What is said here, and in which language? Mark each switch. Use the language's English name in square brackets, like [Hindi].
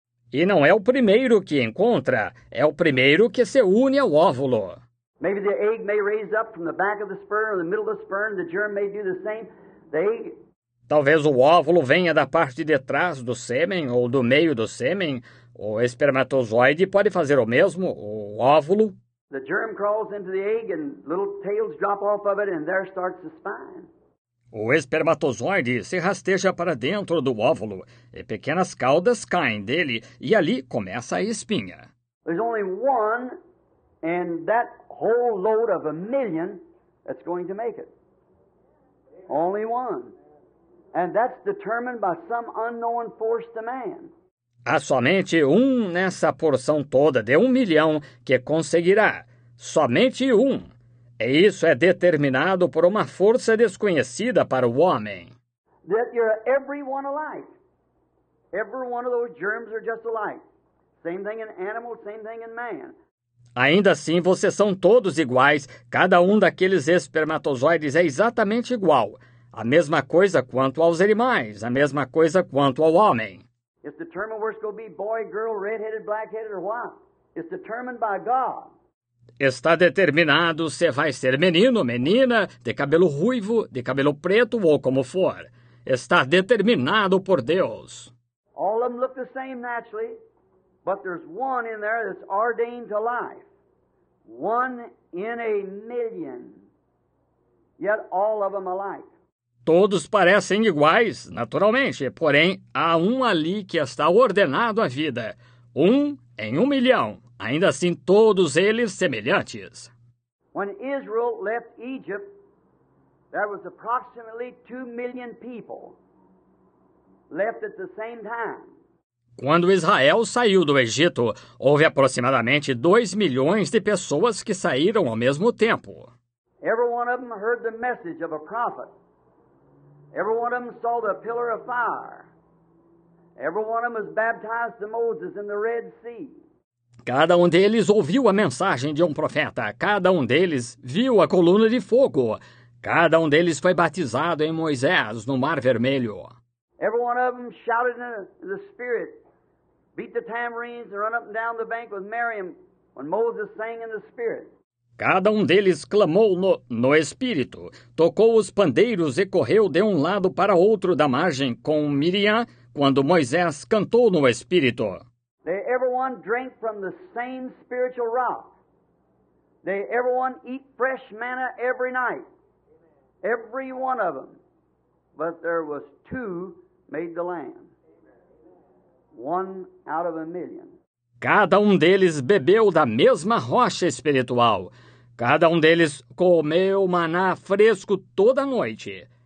[Portuguese] E não é o primeiro que encontra, é o primeiro que se une ao óvulo. [English] Maybe the egg may raise up from the back of the sperm or the middle of the sperm, the germ may do the same. [Portuguese] Talvez o óvulo venha da parte de trás do sêmen ou do meio do sêmen, o espermatozoide pode fazer o mesmo, o óvulo. [English] The germ crawls into the egg and little tails drop off of it and there starts the spine. [Portuguese] O espermatozoide se rasteja para dentro do óvulo e pequenas caudas caem dele e ali começa a espinha. [English] There's only one and that whole load of a million that's going to make it. Only one. And that's determined by some unknown force to man. [Portuguese] Há somente um nessa porção toda de 1 milhão que conseguirá. Somente um. E isso é determinado por uma força desconhecida para o homem. [English] That you're everyone alike. Every one of those germs are just alike. Same thing in animal, same thing in man. [Portuguese] Ainda assim, vocês são todos iguais. Cada um daqueles espermatozoides é exatamente igual. A mesma coisa quanto aos animais, a mesma coisa quanto ao homem. [English] It's determined where it's going to be boy, girl, red-headed, black-headed, or what? It's determined by God. [Portuguese] Está determinado se vai ser menino, menina, de cabelo ruivo, de cabelo preto ou como for. Está determinado por Deus. [English] All of them look the same naturally, but there's one in there that's ordained to life. One in a million. Yet all of them alike. [Portuguese] Todos parecem iguais, naturalmente, porém há um ali que está ordenado à vida. Um em 1 milhão. Ainda assim, todos eles semelhantes. [English] When Israel left Egypt, there was approximately 2 million people left at the same time. [Portuguese] Quando Israel saiu do Egito, houve aproximadamente 2 milhões de pessoas que saíram ao mesmo tempo. [English] Every one of them heard the message of a prophet. Every one of them saw the pillar of fire. Every one of them was baptized to Moses in the Red Sea. [Portuguese] Cada um deles ouviu a mensagem de um profeta. Cada um deles viu a coluna de fogo. Cada um deles foi batizado em Moisés no Mar Vermelho. [English] Every one of them shouted in the spirit, beat the tambourines and run up and down the bank with Miriam when Moses sang in the spirit. [Portuguese] Cada um deles clamou no espírito, tocou os pandeiros e correu de um lado para outro da margem com Miriam quando Moisés cantou no espírito. [English] They everyone drank from the same spiritual rock. They everyone eat fresh manna every night. Every one of them. But there was two made the land. One out of a million. [Portuguese] Cada um deles bebeu da mesma rocha espiritual. Cada um deles comeu maná fresco toda noite.